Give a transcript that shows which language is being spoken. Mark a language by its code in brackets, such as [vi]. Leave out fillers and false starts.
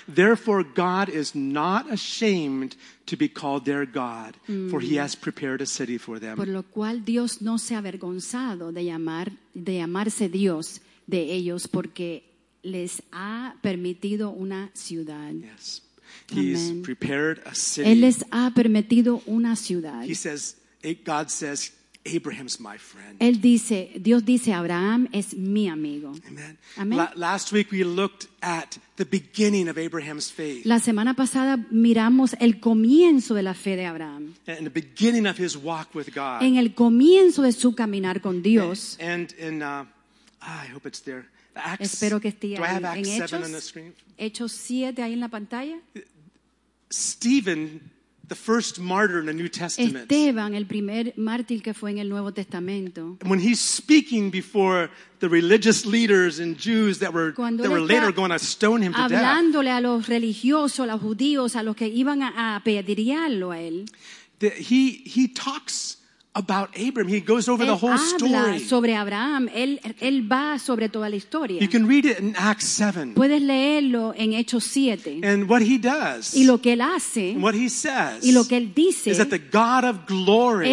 [en] Therefore, God is not ashamed to be called their God, for He has prepared a city for them. [es] Por lo cual Dios no se ha avergonzado de llamarse Dios de ellos, porque les ha permitido una ciudad. [en] Yes. He's Amen. Prepared a city. [es] Él les ha permitido una ciudad. [en] He says, God says, Abraham's my friend. [es] Él dice, Dios dice, Abraham es mi amigo. [en] Amen. Amen. Last week we looked at the beginning of Abraham's faith. [es] La semana pasada miramos el comienzo de la fe de Abraham. [en] And the beginning of his walk with God. [es] En el comienzo de su caminar con Dios. [en] And I hope it's there. Acts, [es] espero que esté ahí. [en] Do I have Acts 7 on the screen? [es] Hechos 7 ahí en la pantalla. [en] Stephen, the first martyr in the New Testament. [es] Esteban, el primer mártir que fue en el Nuevo Testamento. [en] When he's speaking before the religious leaders and Jews that were later going to stone him to death. [es] Hablándole a los religiosos, a los judíos, a los que iban a apedrearlo a él. [en] He talks about Abraham. He goes over the whole story. [es] Sobre Abraham. Él va sobre toda la historia. [en] You can read it in Acts 7. [es] Puedes leerlo en Hechos 7. [en] And what he does. [es] Y lo que él hace. [en] And what he says. [es] Y lo que él dice. [en] Is that the God of glory.